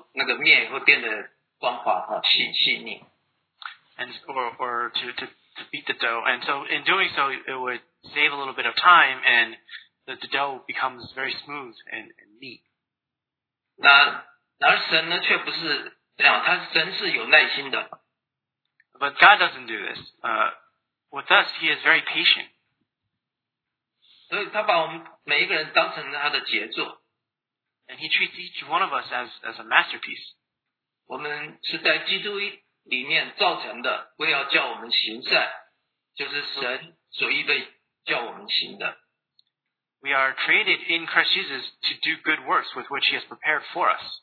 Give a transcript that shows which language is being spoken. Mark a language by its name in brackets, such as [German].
[Chinese] 这样摔打呢，可以那个发面时间会缩短一点，然后那个面会变得光滑细腻。 [English] And or to beat the dough. And so in doing so, it would save a little bit of time, and the dough becomes very smooth and neat. [Chinese] 然而神呢，却不是这样。他神是有耐心的。 [English] But God doesn't do this. With us, He is very patient. [Chinese] 所以他把我们每一个人当成他的杰作。 [English] And He treats each one of us as a masterpiece. [Chinese] 我们是在基督里面造成的，为要叫我们行善，就是神所预备叫我们行的。 [English] We are created in Christ Jesus to do good works with which He has prepared for us.